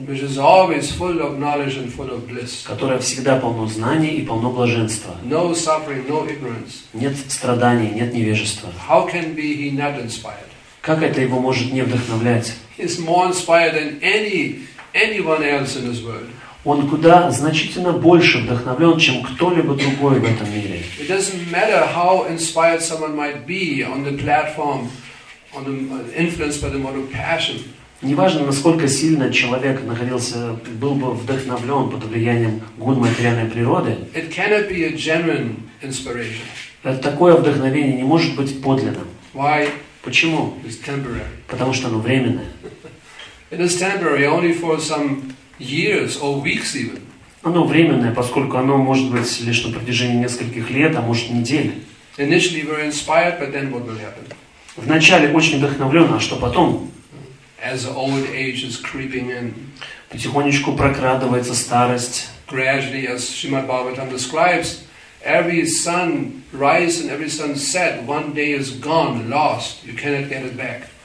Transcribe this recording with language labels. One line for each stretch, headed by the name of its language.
English: which is always full of knowledge and full of bliss,
Russian: которое всегда полно знаний и полно блаженства.
English: No suffering, no ignorance.
Russian: Нет страданий, нет невежества.
English: How can be he not inspired?
Russian: Как это его может не вдохновлять?
English: He is more inspired than anyone else in this world.
Russian: Он куда значительно больше вдохновлен, чем кто-либо другой в этом мире.
English: It doesn't matter how inspired someone might be on the platform, on the influenced by the mode of passion.
Russian: Неважно, насколько сильно человек находился, был бы вдохновлен под влиянием гун материальной природы,
English: it cannot be a genuine inspiration.
Russian: Такое вдохновение не может быть подлинным.
English: Why?
Russian: Почему?
English: It's temporary.
Russian: Потому что оно временное.
English: It is temporary only for some years or weeks even.
Russian: Оно временное, поскольку оно может быть лишь на протяжении нескольких лет, а может недель.
English: Initially we're inspired, but then what will happen?
Russian: Вначале очень вдохновлен, а что потом?
English: As old age is creeping in,
Russian: потихонечку прокрадывается старость.
English: Gradually, as Srimad Bhagavatam describes, every sun rise and every sun set, one day is gone, lost. You cannot get it back.